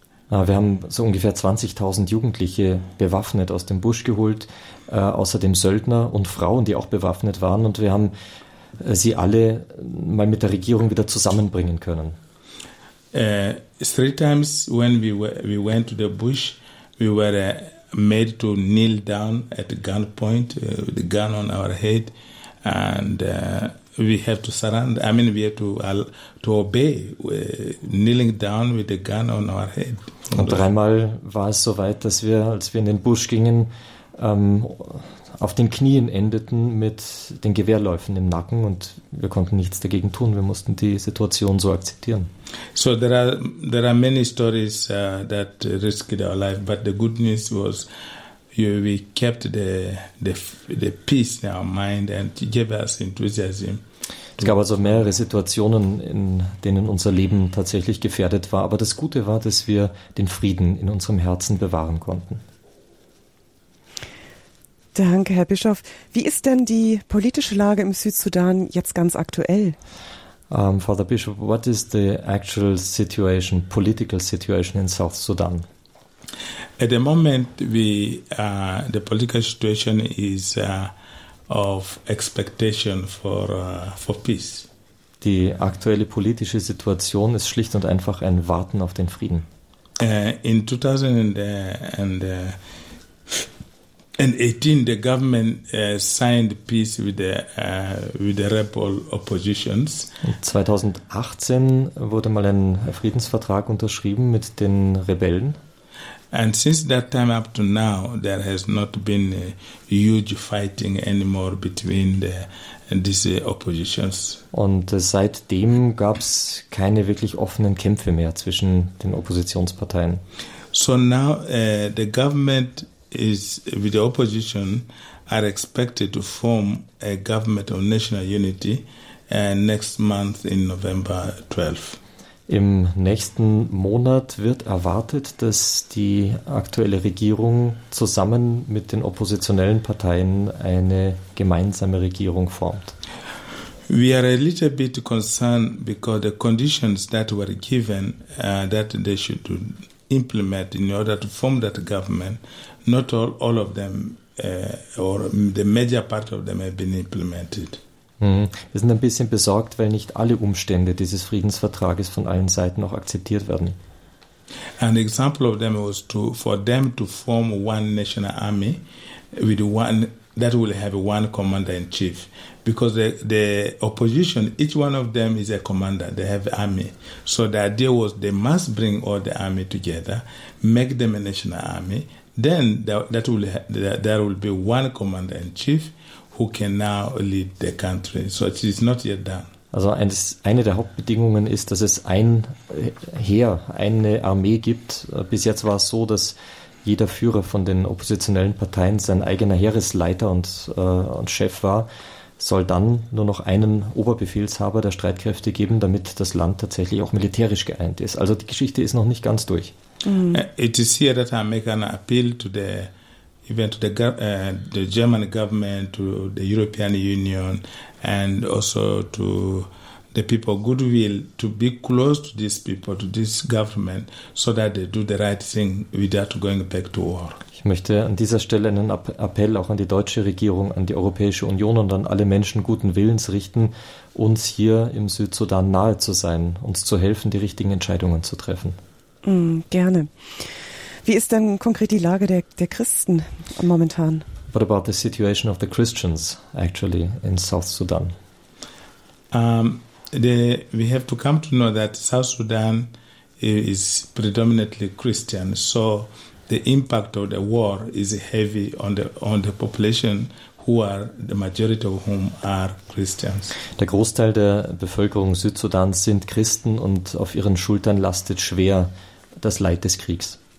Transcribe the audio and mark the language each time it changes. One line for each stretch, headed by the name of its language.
German: Wir haben so ungefähr 20.000 Jugendliche bewaffnet aus dem Busch geholt, außerdem Söldner und Frauen, die auch bewaffnet waren, und wir haben sie alle mal mit der Regierung wieder zusammenbringen können.
English: Three times when we went to the bush, we were made to kneel down at gunpoint, with a gun on our head, and we have to surrender. I mean, we have to obey, kneeling down with a gun on our head.
German: Und dreimal war es soweit, dass wir, als wir in den Busch gingen, auf den Knien endeten mit den Gewehrläufen im Nacken, und wir konnten nichts dagegen tun. Wir mussten die Situation so akzeptieren.
English: So there are many stories that risked our life, but the good news was we kept the peace in our mind and gave us enthusiasm.
German: Es gab also mehrere Situationen, in denen unser Leben tatsächlich gefährdet war, aber das Gute war, dass wir den Frieden in unserem Herzen bewahren konnten. Danke, Herr Bischof. Wie ist denn die politische Lage im Südsudan jetzt ganz aktuell?
English: Father Bishop, what is the actual situation, political situation in South Sudan? At the moment, the political situation is of expectation for peace.
German: Die aktuelle politische Situation ist schlicht und einfach ein Warten auf den Frieden.
English: In 2018, the government signed peace with the rebel oppositions.
German: 2018 wurde mal ein Friedensvertrag unterschrieben mit den Rebellen.
English: And since that time up to now, there has not been a huge fighting anymore between these oppositions.
German: Und seitdem gab es keine wirklich offenen Kämpfe mehr zwischen den Oppositionsparteien.
English: So now the government is with the opposition are expected to form a government of national unity next month in November 12th.
German: Im nächsten Monat wird erwartet, dass die aktuelle Regierung zusammen mit den oppositionellen Parteien eine gemeinsame Regierung formt.
English: We are a little bit concerned because the conditions that were given that they should implement in order to form that government, not all of them or the major part of them have been implemented.
German: Wir sind ein bisschen besorgt, weil nicht alle Umstände dieses Friedensvertrages von allen Seiten auch akzeptiert werden.
English: An example of them was to for them to form one national army with one that will have one commander in chief, because the opposition, each one of them is a commander, they have army. So the idea was they must bring all the army together, make them a national army, then there will be one commander in chief who can now lead the country. So it is not yet done.
German: Also eine der Hauptbedingungen ist, dass es ein Heer, eine Armee gibt. Bis jetzt war es so, dass jeder Führer von den oppositionellen Parteien sein eigener Heeresleiter und Chef war, soll dann nur noch einen Oberbefehlshaber der Streitkräfte geben, damit das Land tatsächlich auch militärisch geeint ist. Also die Geschichte ist noch nicht ganz durch.
English: It is here that I make an appeal to the even to the German government, to the European Union, and also to the people goodwill to be close to these people, to this government, so that they do the right thing without going back to war.
German: Ich möchte an dieser Stelle einen Appell auch an die deutsche Regierung, an die Europäische Union und an alle Menschen guten Willens richten, uns hier im Südsudan nahe zu sein, uns zu helfen, die richtigen Entscheidungen zu treffen. Gerne. Wie ist denn konkret die Lage der Christen momentan?
English: What about the situation of the Christians actually in South Sudan? We have to come to know that South Sudan is predominantly Christian, so the impact of the war is heavy on the population, who are the majority of whom are Christians.
German: Der Großteil der Bevölkerung Südsudans sind Christen und auf ihren Schultern lastet schwer das Leid des Kriegs.